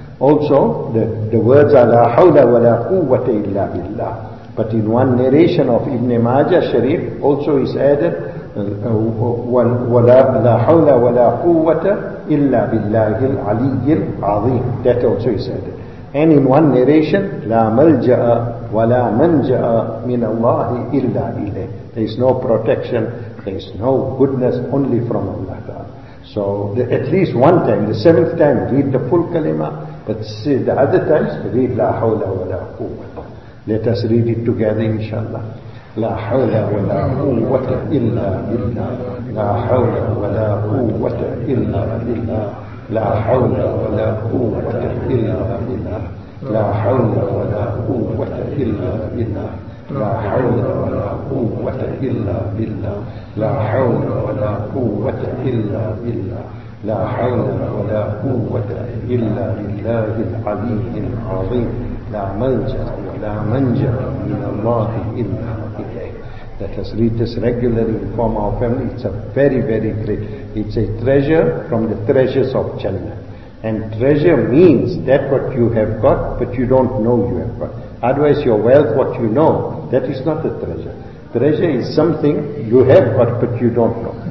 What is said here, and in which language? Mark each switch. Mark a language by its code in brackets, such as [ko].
[en] Also, the words are [ar] La hawla wa la quwwata illa billah. [en] But in one narration of Ibn Majah Sharif, also is added, [ar] وَلَا حَوْلَ وَلَا قُوَّةَ إِلَّا بِاللَّهِ الْعَلِيِّ الْعَظِيمِ. [en] That also is added. And in one narration, [ar] لَا مَلْجَأَ وَلَا مَنْجَأَ مِنَ اللَّهِ إِلَّا إِلَيْهِ. [en] There is no protection, there is no goodness only from Allah Ta'ala. So at least one time, the 7th time, read the full kalima, but see the other times, read [ar] لَا حَوْلَ وَلَا قُوَّةَ. [en] Let us read it together, inshallah. [ar] لا حول ولا قوة إلا بالله لا حول ولا قوة إلا بالله لا حول ولا قوة إلا بالله لا حول ولا قوة إلا بالله لا حول ولا قوة إلا بالله لا حول ولا قوة إلا بالله لا حول ولا قوة إلا بالله العلي العظيم لا ملجأ ولا منجأ من الله إلا إليه. [en] Let us read this regularly from our family. It's a very, very great. It's a treasure from the treasures of Jannah. And treasure means that what you have got, but you don't know you have got. Otherwise, your wealth, what you know, that is not a treasure. Treasure is something you have got, but you don't know.